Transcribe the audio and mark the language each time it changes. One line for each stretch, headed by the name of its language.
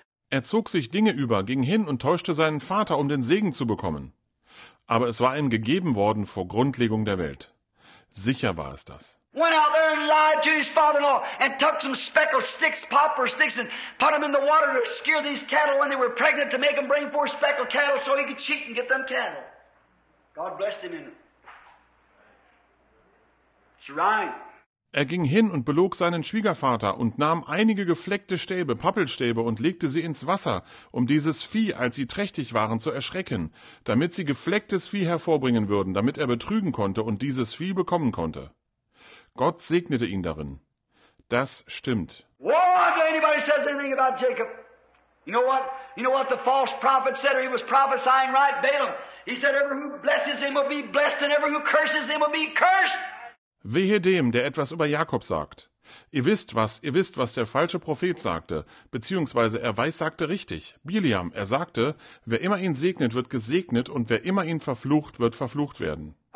German: Er zog sich Dinge über, ging hin und täuschte seinen Vater, um den Segen zu bekommen. Aber es war ihm gegeben worden vor Grundlegung der Welt. Sicher war es das.
English: Went out there and lied to his father-in-law and took some speckled sticks, poplar sticks, and put them in the water to scare these cattle when they were pregnant to make them bring forth speckled cattle so he could cheat and get them cattle. God blessed him in it. It's right.
German: Er ging hin und belog seinen Schwiegervater und nahm einige gefleckte Stäbe, Pappelstäbe und legte sie ins Wasser, um dieses Vieh, als sie trächtig waren, zu erschrecken, damit sie geflecktes Vieh hervorbringen würden, damit er betrügen konnte und dieses Vieh bekommen konnte. Gott segnete ihn darin. Das stimmt.
English: Whoa, if anybody says anything about Jacob. You know what the false prophet said, or he was prophesying right, Balaam. He said, every who blesses him will be blessed, and every who curses him will be cursed.
German: Wehe dem, der etwas über Jakob sagt. Ihr wisst, was der falsche Prophet sagte, beziehungsweise er weissagte richtig. Bileam, er sagte, wer immer ihn segnet, wird gesegnet, und wer immer ihn verflucht, wird verflucht werden.